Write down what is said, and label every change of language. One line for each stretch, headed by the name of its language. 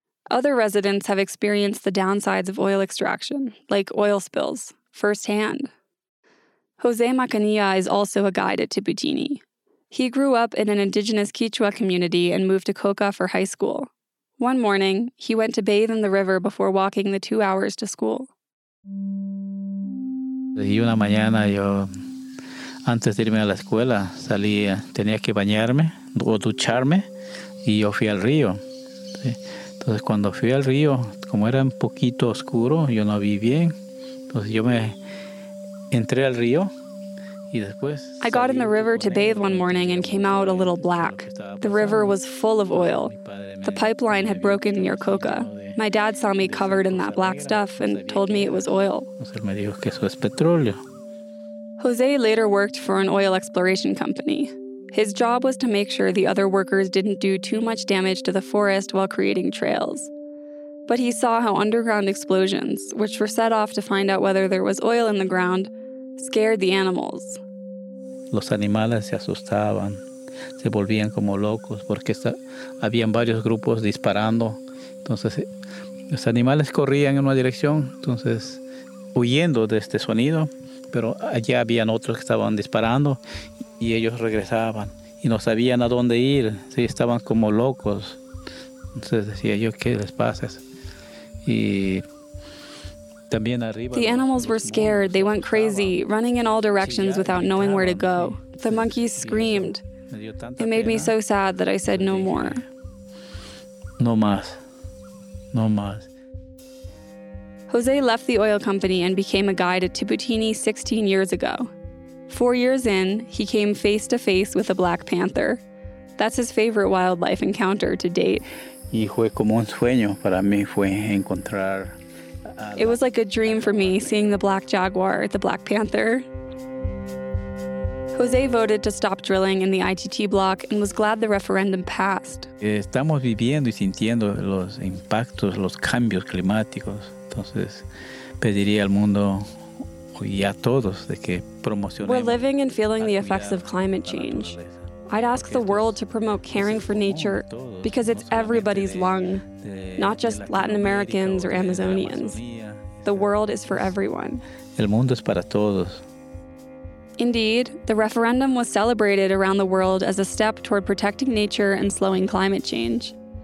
English: Other residents have experienced the downsides of oil extraction, like oil spills, firsthand. Jose Macanilla is also a guide at Tiputini. He grew up in an indigenous Quechua community and moved to Coca for high school. One morning, he went to bathe in the river before walking the 2 hours to school.
Spanish: Y una mañana yo, antes de irme a la escuela, salí, tenía que bañarme o ducharme, y yo fui al río. ¿Sí? Entonces, cuando fui al río, como era un poquito oscuro, yo no vi bien. Entonces, yo me entré al río y después...
English: I got in the river to bathe one morning and came out a little black. The river was full of oil. The pipeline had broken near Coca. My dad saw me covered in that black stuff and told me it was oil.
Spanish: Entonces, me dijo que eso es petróleo.
English: Jose later worked for an oil exploration company. His job was to make sure the other workers didn't do too much damage to the forest while creating trails. But he saw how underground explosions, which were set off to find out whether there was oil in the ground, scared the animals.
Spanish: Los animales se asustaban, se volvían como locos porque habían varios grupos disparando. Entonces, los animales corrían en una dirección, entonces huyendo de este sonido, pero allá habían otros que estaban disparando y ellos regresaban y no sabían a dónde ir, sí, estaban como locos. Entonces decía yo, ¿qué les pasa? Y también arriba.
English: The animals were scared, they went crazy, running in all directions without knowing where to go. The monkeys screamed. It made me so sad that I said no more.
Spanish: No más. No más.
English: Jose left the oil company and became a guide at Tipitini 16 years ago. 4 years in, he came face to face with a black panther. That's his favorite wildlife encounter to date.
Spanish: Y fue como un sueño para mí, fue encontrar.
English: It was like a dream for me, seeing the black jaguar, the black panther. Jose voted to stop drilling in the ITT block and was glad the referendum passed.
Spanish: Estamos viviendo y sintiendo los impactos, los cambios climáticos. Entonces, pediría al mundo y a todos de que promocionemos.
English: We're living and feeling the effects of climate change. I'd ask the world to promote caring for nature because it's everybody's lung, not just Latin Americans or Amazonians. The world is for everyone.
Spanish: El mundo es para todos.
English: Indeed, the referendum was celebrated around the world as a step toward protecting nature and slowing climate change.